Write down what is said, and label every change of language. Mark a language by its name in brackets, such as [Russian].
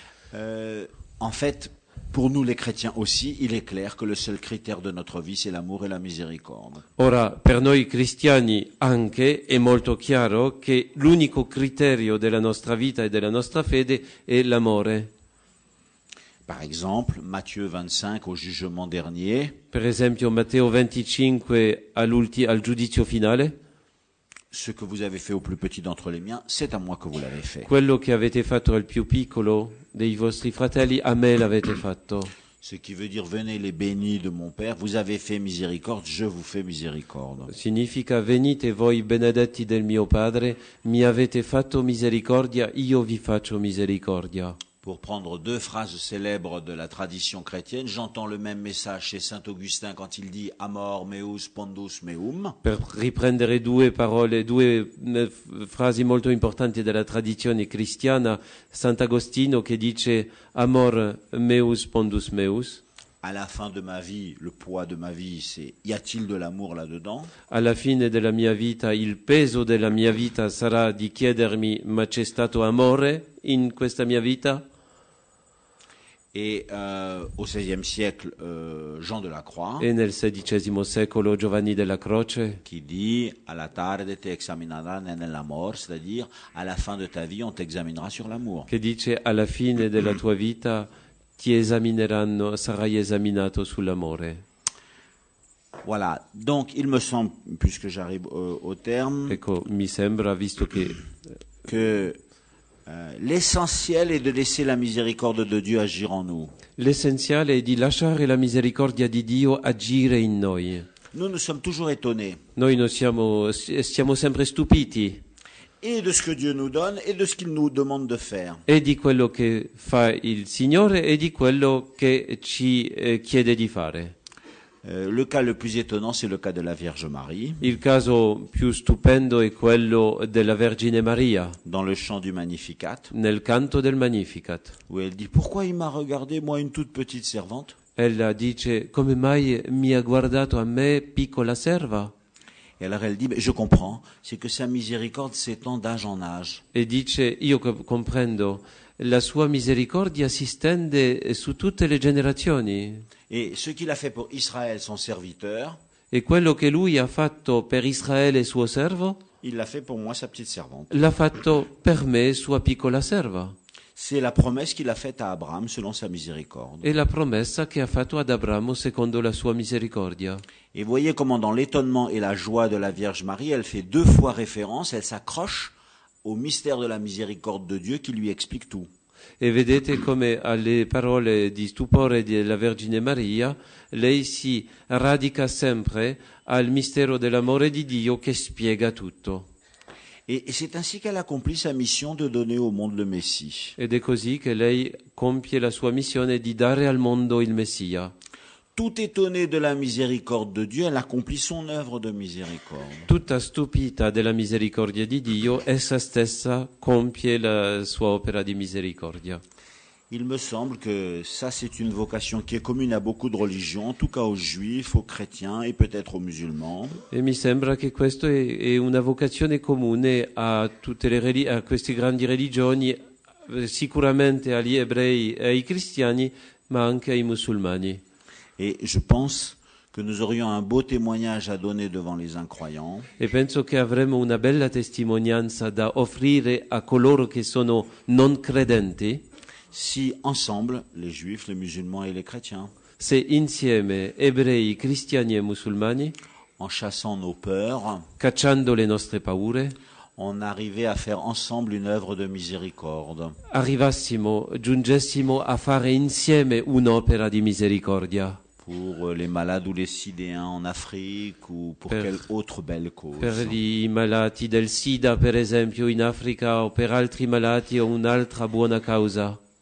[French] En fait, pour nous les chrétiens aussi, il est clair que le seul critère de notre vie, c'est l'amour et la miséricorde. [Italian] Ora, per noi cristiani anche è molto chiaro che l'unico criterio della nostra vita e della nostra fede è l'amore. [French] Par exemple, Matthieu 25 au jugement dernier. [Italian] Per esempio, Matteo 25 al giudizio finale. [French] Ce que vous avez fait au plus petit d'entre les miens, c'est à moi que vous l'avez fait. [Italian] Quello che avete fatto al più piccolo dei vostri fratelli, a me l'avete fatto. [French] Ce qui veut dire venez les bénis de mon Père, vous avez fait misericorde, je vous fais miséricorde. [Italian] Significa venite voi benedetti del mio Padre, mi avete fatto misericordia, io vi faccio misericordia. [French] Pour prendre deux phrases célèbres de la tradition chrétienne, j'entends le même message chez saint Augustin quand il dit [Latin] Amor meus pondus meum. [Italian] Per riprendere due parole, due frasi molto importanti della tradizione cristiana, Sant'Agostino che dice [Latin] Amor meus pondus meus. [French] À la fin de ma vie, le poids de ma vie, c'est y a-t-il de l'amour là-dedans? [Italian] Alla fine della mia vita, il peso della mia vita sarà di chiedermi ma c'è stato amore in questa mia vita? [French] Et au XVIe siècle, Jean de la Croix. [Italian] E nel XVI secolo Giovanni della Croce. [French] Qui dit à [Spanish] la tarde te examineranno nell'amor, [French] c'est-à-dire à la fin de ta vie on t'examinera sur l'amour. [Italian] Che dice alla fine della tua vita ti esamineranno, sarai esaminato sull'amore. [French] Voilà. Donc il me semble, puisque j'arrive au terme. [Italian] Ecco, mi sembra visto che. [French] Que l'essentiel est de laisser la miséricorde de Dieu agir en nous. L'essentiel est [Italian] di lasciare la misericordia di Dio agire in noi. [French] Nous nous sommes toujours étonnés. [Italian] Noi non siamo sempre stupiti. [French] Et de ce que Dieu nous donne et de ce qu'il nous demande de faire. [Italian] E di quello che fa il Signore e di quello che ci chiede di fare. [French] Le cas le plus étonnant c'est le cas de la Vierge Marie. [Italian] Il caso più stupendo è quello della Vergine Maria. [French] Dans le chant du Magnificat. [Italian] Nel canto del Magnificat. [French] Où elle dit pourquoi il m'a regardé moi une toute petite servante? [Italian] Ella dice come mai mi ha guardato a me piccola serva? [French] Et alors elle dit je comprends, c'est que sa miséricorde s'étend d'âge en âge. [Italian] E dice io comprendo, la sua misericordia si stende su tutte le generazioni. [French] Et ce qu'il a fait pour Israël, son serviteur. [Italian] E quello che lui ha fatto per Israele suo servo. [French] Il l'a fait pour moi, sa petite servante. [Italian] L'ha fatto per me, sua piccola serva. [French] C'est la promesse qu'il a faite à Abraham selon sa miséricorde. [Italian] E la promessa che ha fatto ad Abramo secondo la sua misericordia. [French] Et voyez comment dans l'étonnement et la joie de la Vierge Marie, elle fait deux fois référence, elle s'accroche au mystère de la miséricorde de Dieu qui lui explique tout. [Italian] E vedete come alle parole di stupore della Vergine Maria lei si radica sempre al mistero dell'amore di Dio che spiega tutto. [French] E c'est ainsi qu'elle accomplit sa mission de donner au monde le Messie. [Italian] Ed è così che lei compie la sua missione di dare al mondo il Messia. [French] Tout étonnée de la miséricorde de Dieu, elle accomplit son œuvre de miséricorde. [Italian] Tutta stupita della misericordia di Dio, essa stessa compie la sua opera di misericordia. [French] Il me semble que ça c'est une vocation qui est commune à beaucoup de religions, en tout cas aux juifs, aux chrétiens et peut-être aux musulmans. [Italian] E mi sembra che questo è una vocazione comune a tutte le a queste grandi religioni, sicuramente agli ebrei e ai cristiani, ma anche ai musulmani. [French] Et je pense que nous aurions un beau témoignage à donner devant les incroyants. [Italian] E penso che avremo una bella testimonianza da offrire a coloro che sono non credenti. [French] Si ensemble, les juifs, les musulmans et les chrétiens. [Italian] Se insieme, ebrei, cristiani e musulmani. [French] En chassant nos peurs. [Italian] Cacciando le nostre paure. [French] On arrivait à faire ensemble une œuvre de miséricorde. [Italian] Arrivassimo, giungessimo a fare insieme un'opera di misericordia. [French] Pour les malades ou les sidéens en Afrique ou pour quelle autre belle cause. [Italian] Per i malati del sida, per esempio, in Africa o per altri malati o un'altra buona causa.